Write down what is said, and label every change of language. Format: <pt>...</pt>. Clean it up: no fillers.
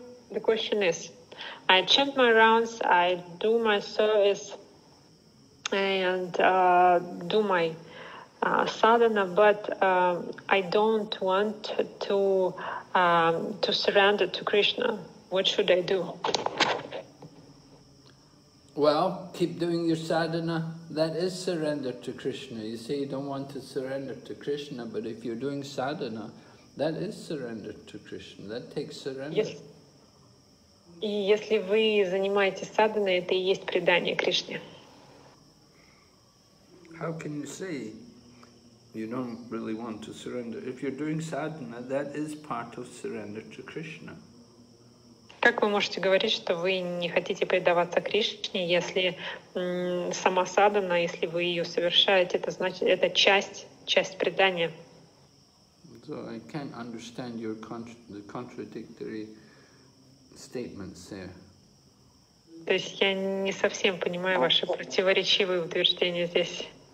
<en>The question is, I chant my rounds, I do my service, and do my sadhana, but I don't want to surrender to Krishna. What should I do? Well, keep doing your sadhana. That is surrender to Krishna. You say you don't want to surrender to Krishna, but if you're doing sadhana, that is surrender to Krishna. That takes surrender. Yes.</en> <ru>И если вы занимаетесь садханой, это и есть предание Кришне.</ru> <en>How can you say you don't really want to surrender? If you're doing sadhana, that is part of surrender to Krishna.</en> <ru>Как вы можете говорить, что вы не хотите предаваться Кришне, если сама садхана, если вы ее совершаете, это значит, это часть предания.</ru> <en>So I can't understand your the contradictory statements there.</en> <ru>То есть я не совсем понимаю ваши противоречивые утверждения здесь.</ru>